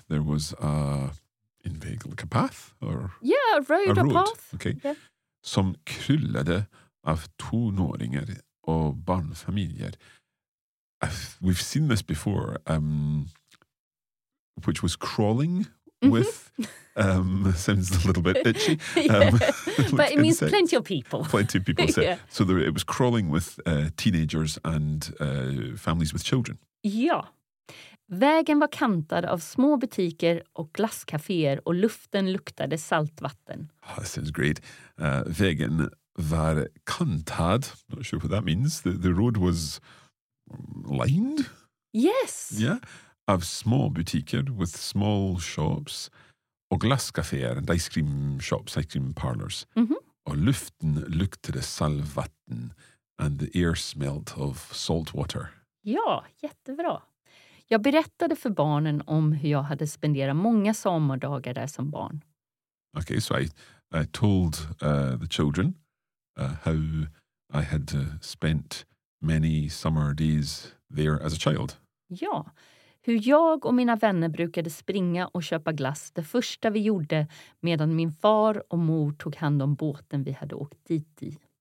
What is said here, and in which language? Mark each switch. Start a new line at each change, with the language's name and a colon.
English: There was a,
Swedish: en väg,
English: like a path? Or yeah, a road. Path. Okay. Yeah.
Swedish: Som kryllade av tonåringar och barnfamiljer.
English: We've seen this before, which was crawling with, sounds a little bit itchy. Yeah. But it means plenty of people. Plenty of people. Yeah. So there, it was crawling with teenagers and families with children.
Swedish: Ja. Vägen var kantad av små butiker och glasscaféer och luften luktade saltvatten.
English: Oh, that sounds great.
Swedish: Vägen var kantad.
English: Not sure what that means. The road was lined? Yes. Yeah. Of small butiker with small shops
Swedish: och glasscaféer
English: and ice cream shops, ice cream parlors. Mm-hmm.
Swedish: Och luften luktade saltvatten
English: and the air smelt of salt water.
Swedish: Ja, jättebra. Jag berättade för barnen om hur jag hade spenderat många sommardagar där som barn.
English: Okay, so I told the children how I had spent many summer days there as a child.
Swedish: Ja, hur jag och mina vänner brukade springa och köpa glass det första vi gjorde medan min far och mor tog hand om båten vi hade åkt dit i.